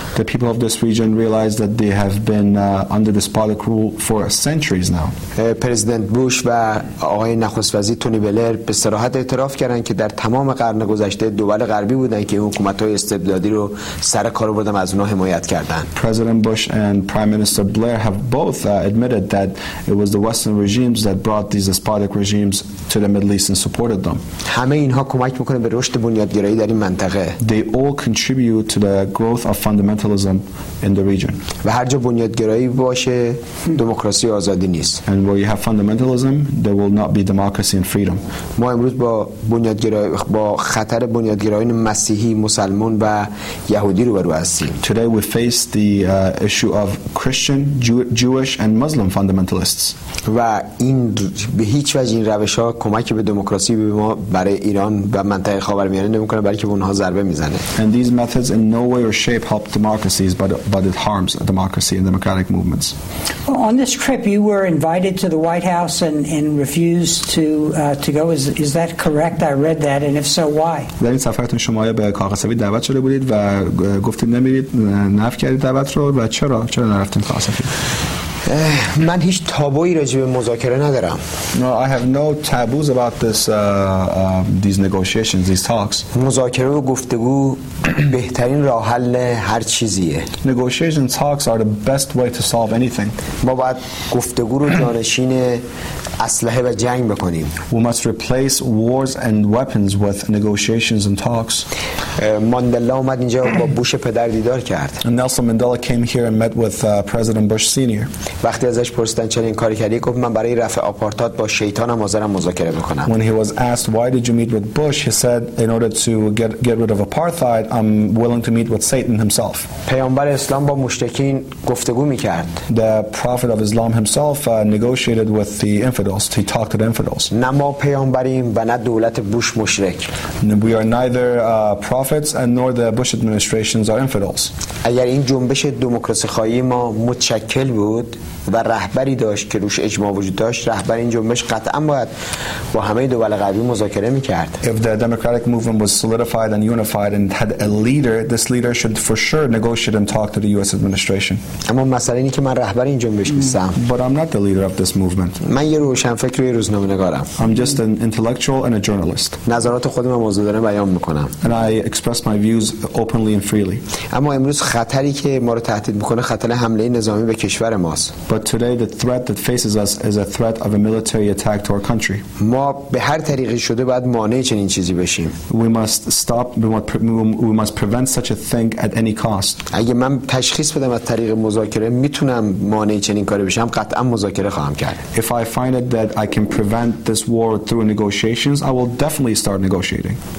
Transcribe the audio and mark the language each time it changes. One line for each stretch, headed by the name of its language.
English: The people of this region realize that they have been under despotic rule for centuries now.
Persian: پرزیدنت بوش و آقای نخست وزیر تونی بلر به صراحت اعتراف کردند که در تمام قرن گذشته دول غربی بودند که حکومت های استبدادی رو سر کار بردن از اونها حمایت کردند.
English: President Bush and Prime Minister Blair have both admitted that it was the Western regimes that brought these despotic regimes to the Middle East and supported them.
Persian: همه اینها کمک میکنه به رشد بنیادگرایی در این منطقه.
English: They all contribute to the growth of fundamentalism in the region.
Persian: و هر جا بنیادگرایی باشه دموکراسی آزادی نیست.
English: And where you have fundamentalism, there will not be democracy and freedom.
Persian: ما امروز با بنیادگرایی با خطر بنیادگرایی مسیحی، مسلمان و یهودی روبرو هستیم.
English: Today we face the issue of Christian, Jewish and Muslim fundamentalists.
Persian: و این به هیچ وجه این روش‌ها کمک به دموکراسی به ما برای ایران و منطقه خاورمیانه نمی‌کنه بلکه به اونها ضربه می‌زنه.
English: And these methods in no way or shape help democracies but it harms democracy and democratic movements. On this trip you were invited to the White House and refused to go, is that correct? I read that, and if so why?
Persian: در این سفرتون شما به کاخ سفید دعوت شده بودید و گفتید نمی‌رید، نفی کردید دعوت رو و چرا نرفتید کاخ سفید؟ من هیچ تابوی راجع به مذاکره ندارم.
English: No, I have no taboos about this these negotiations, these talks.
Persian: مذاکره و گفتگو بهترین راه حل هر چیزیه.
English: Negotiation talks are the best way to solve anything.
Persian: ما باید گفتگو رو جانشین اسلحه و جنگ بکنیم.
English: We must replace wars and weapons with negotiations and talks.
Persian: ماندلا اومد اینجا با بوش پدر دیدار کرد.
English: Nelson Mandela came here and met with President Bush Senior.
Persian: وقتی ازش پرسیدن چرا این کاری کردی گفت من برای رفع آپارتاید با شیطان حاضرم مذاکره بکنم.
English: When he was asked why did you meet with Bush, he said in order to get rid of apartheid, I'm willing to meet with Satan himself.
Persian: پیامبر اسلام با مشرکین گفتگو میکرد.
English: The prophet of Islam himself negotiated with the infidels. He talked to the infidels.
Persian: نه ما پیامبریم و نه دولت بوش مشرک.
English: We are neither prophets and nor the Bush administrations are infidels.
Persian: اگر این جنبش دموکراسی خواهی ما متشکل بود و رهبری داشت که روش اجماع وجود داشت، رهبر این جنبش قطعا باید با همه دول غربی مذاکره میکرد.
English: If the democratic movement was solidified and unified and had a leader, this leader should for sure negotiate and talk to the US administration.
Persian: اما مسئله اینه که من رهبر این جنبش نیستم.
English: But I'm not the leader of this movement.
Persian: من یه روشنفکر و یه روزنامه‌نگارم.
English: I'm just an intellectual and a journalist.
Persian: نظرات خودم رو موضوعانه بیان میکنم.
English: And I express my views openly and freely.
Persian: اما امروز خطری که ما رو تهدید میکنه خطر حمله نظامی به کشور ماست.
English: But today the threat that faces us is a threat of a military attack to our country.
Persian: ما به هر طریقی شده باید مانع چنین چیزی بشیم.
English: We must prevent such a thing at any cost.
Persian: اگه من تشخیص بدم از طریق مذاکره میتونم مانع چنین کاری بشم، قطعا مذاکره خواهم کرد.
English: If I find it that I can prevent this war through negotiations, I will definitely start negotiating.